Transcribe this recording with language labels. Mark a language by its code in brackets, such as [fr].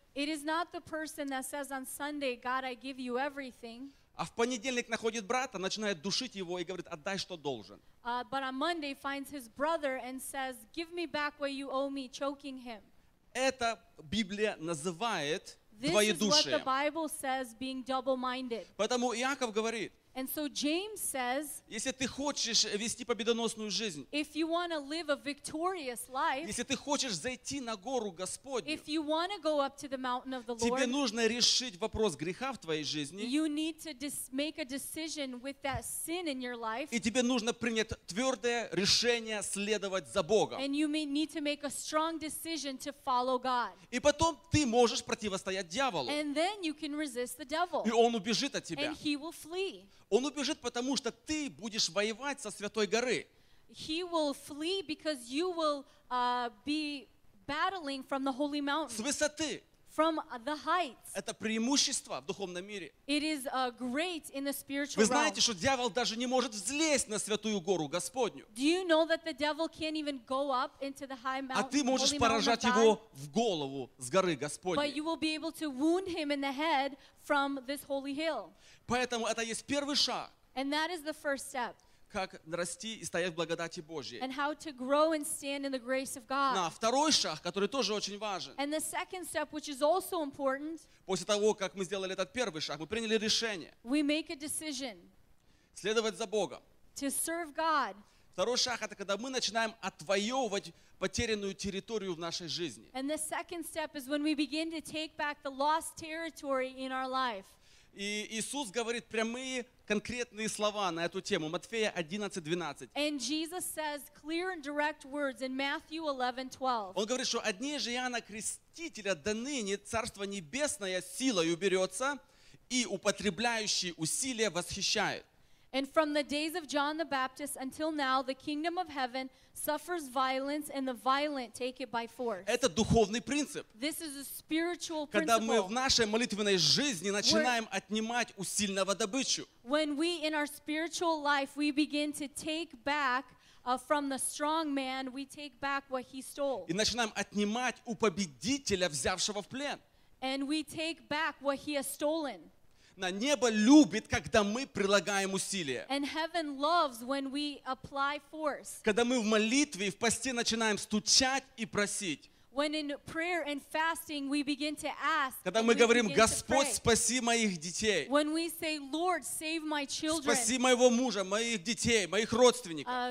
[en] It is not the person that says on Sunday, God, I give you everything. [ru] А в понедельник находит брата, начинает душить его и говорит, отдай, что должен. [en] But on Monday finds his brother and says, give me back what you owe me, choking him. [ru] Это Библия называет [en] this [ru] двоедушием. [en] This is what the Bible says, being double-minded. [ru] Поэтому Иаков говорит, [en] and so James says, [ru] если ты хочешь вести победоносную жизнь, [en] if you want to live a victorious life, [ru] если ты хочешь зайти на гору Господню, [en] if you want to go up to the mountain of the Lord, [ru] тебе нужно решить вопрос греха в твоей жизни, [en] you need to make a decision with that sin in your life, [ru] и тебе нужно принять твердое решение следовать за Богом, [en] and you need to make a strong decision to follow God, [ru] и потом ты можешь противостоять дьяволу, [en] and then you can resist the devil, [ru] и он убежит от тебя, [en] and he will flee. [ru] Он убежит, потому что ты будешь воевать со Святой Горы. [en] He will flee because you will be battling from the holy mountain. [ru] С высоты. [en] From the heights. [ru] Это преимущество в духовном мире. [en] It is great in the spiritual realm. [ru] Вы знаете, что дьявол даже не может взлезть на святую гору Господню. [en] Do you know that the devil can't even go up into the high mountain? [ru] А ты можешь поражать его в голову с горы Господней. [en] But you will be able to wound him in the head from this holy hill. [ru] Поэтому это есть первый шаг. [en] And that is the first step. [ru] как расти и стоять в благодати Божьей. [en] And how to grow and stand in the grace of God. [ru] На второй шаг, который тоже очень важен. [en] And the second step, which is also important. [ru] После того, как мы сделали этот первый шаг, мы приняли решение. [en] We make a decision. [ru] Следовать за Богом. [en] To serve God. [ru] Второй шаг — это когда мы начинаем отвоевывать потерянную территорию в нашей жизни. [en] And the second step is when we begin to take back the lost territory in our life. [ru] И Иисус говорит прямые конкретные слова на эту тему. Матфея 11:12. [en] And Jesus says clear and direct words in Matthew 11:12. [ru] Он говорит, что одни же Иоанна Крестителя до ныне Царство Небесное силою берется, и употребляющие усилия восхищают. [en] And from the days of John the Baptist until now, the kingdom of heaven suffers violence, and the violent take it by force. [ru] Это духовный принцип. [en] This is a spiritual principle. [ru] Когда мы в нашей молитвенной жизни начинаем отнимать у сильного добычу. [en] When we in our spiritual life we begin to take back from the strong man, we take back what he stole. [ru] И начинаем отнимать у победителя, взявшего в плен. [en] And we take back what he has stolen. [ru] На небо любит, когда мы прилагаем усилия. [en] And heaven loves when we apply force. [ru] Когда мы в молитве и в посте начинаем стучать и просить. [en] When in prayer and fasting we begin to ask. [ru] Когда мы говорим: Господь, спаси моих детей. [en] When we say, Lord, save my children. [ru] Спаси моего мужа, моих детей, моих родственников.